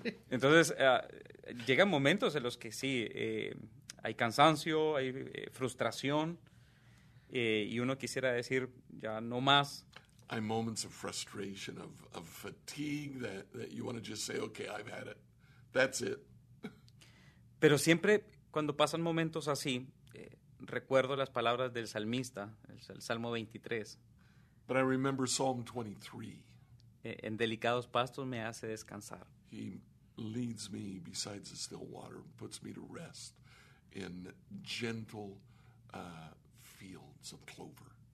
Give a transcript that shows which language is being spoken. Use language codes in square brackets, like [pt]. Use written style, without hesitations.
[es] Entonces, llegan momentos en los que sí, hay cansancio, hay frustración, y uno quisiera decir ya no más. [en] Hay moments of frustration, of fatigue, that you want to just say, okay, I've had it. That's it. [es] Pero siempre cuando pasan momentos así, recuerdo las palabras del salmista, el Salmo 23. [en] But I remember Psalm 23. [es] En delicados pastos me hace descansar. [en] He leads me beside the still water, puts me to rest in gentle fields of clover.